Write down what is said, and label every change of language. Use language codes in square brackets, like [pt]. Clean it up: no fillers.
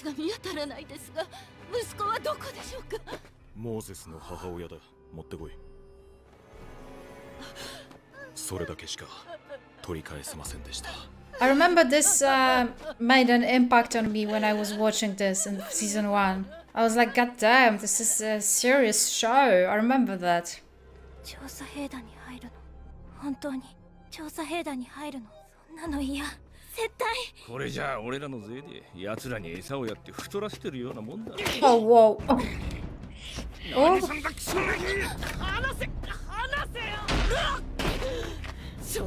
[ja] Moses が見当たらないですが、息子はどこでしょうか？ Moses の母親だ。持ってこい。それだけしか取り返せませんでした。 [en] I remember this made an impact on me when I was watching this in season one. I was like, God damn, this is a serious show. I remember that. [ja] 調査兵団に入るの？本当に調査兵団に入るの？そんなの嫌。絶対。これじゃ俺らの税で奴らに餌をやって太らせてるようなもんだ。 [en] Oh, whoa. Oh. Oh. [ja] 何さんが来そうに。離せ、離せよ。